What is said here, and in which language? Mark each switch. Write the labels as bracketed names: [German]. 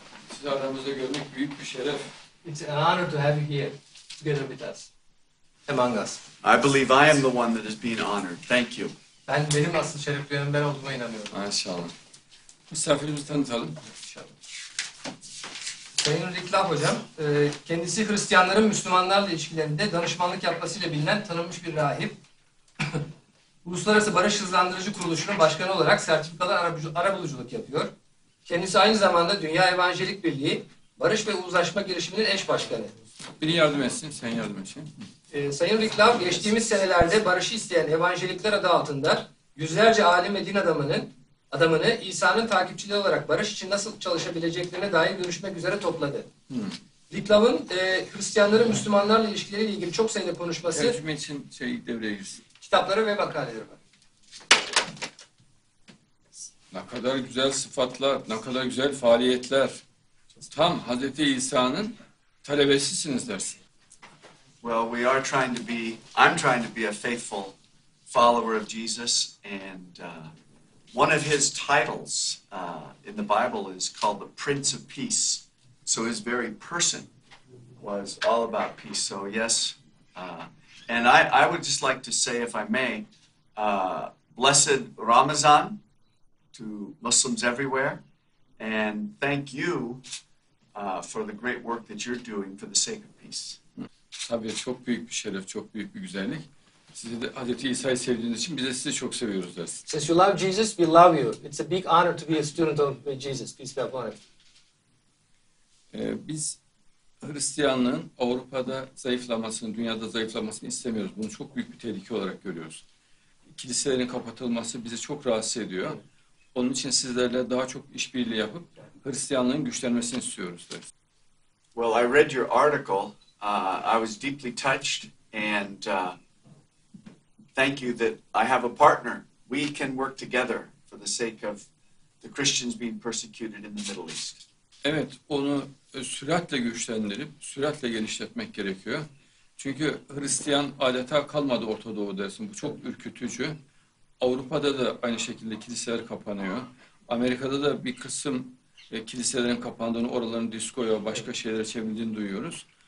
[Turkish] Sizi aramızda görmek büyük bir şeref. [English] It's an honor to have you here together with us. Among us. I believe I am the one that is being honored. Thank you. [Turkish] Benim asıl şereflerim ben olduğuma inanıyorum. Maşallah. Misafirimizi tanıtalım. Sayın Rick Love hocam, kendisi Hristiyanların Müslümanlarla ilişkilerinde danışmanlık yapmasıyla bilinen tanınmış bir rahip. Uluslararası Barış Hızlandırıcı Kuruluşu'nun başkanı olarak sertifikalı arabuluculuk yapıyor. Kendisi aynı zamanda Dünya Evangelik Birliği, Barış ve Uzlaşma Girişiminin eş başkanı. Biri yardım etsin, sen yardım etsin. Sayın Rick Love, geçtiğimiz senelerde barışı isteyen evangelikler adı altında yüzlerce alim ve din adamını İsa'nın takipçileri olarak barış için nasıl çalışabileceklerine dair görüşmek üzere topladı. Rick Love'ın Hristiyanların Müslümanlarla ilişkileriyle ilgili çok sayıda konuşması, tercüme için devreye girsin. Kitapları ve makaleleri var. Ne kadar güzel sıfatlar, ne kadar güzel faaliyetler. Tam Hazreti İsa'nın talebesisiniz dersin. [English] Well, we are trying to be, I'm trying to be a faithful follower of Jesus, and one of his titles in the Bible is called the Prince of Peace, so his very person was all about peace, so yes, and I would just like to say, if I may, blessed Ramadan to Muslims everywhere, and thank you for the great work that you're doing for the sake of peace. [Turkish] Tabii çok büyük bir şeref, çok büyük bir güzellik. Sizi de Hazreti İsa'yı sevdiğiniz için biz de sizi çok seviyoruz dersin. [English] Since you love Jesus, we love you. It's a big honor to be a student of Jesus. Peace be upon you. [Turkish] Biz Hristiyanlığın Avrupa'da zayıflamasını, dünyada zayıflamasını istemiyoruz. Bunu çok büyük bir tehlike olarak görüyoruz. Kiliselerin kapatılması bizi çok rahatsız ediyor. Onun için sizlerle daha çok işbirliği yapıp Hristiyanlığın güçlenmesini istiyoruz dersin. [English] Well, I read your article. I was deeply touched, and thank you that I have a partner. We can work together for the sake of the Christians being persecuted in the Middle East. [Turkish] Evet, onu süratle güçlendirip, süratle genişletmek gerekiyor. Çünkü Hristiyan adeta kalmadı Orta Doğu dersin. Bu çok ürkütücü. Avrupa'da da aynı şekilde kiliseler kapanıyor. Amerika'da da bir kısım kiliselerin kapandığını, oraların diskoya, başka şeylere çevrildiğini duyuyoruz.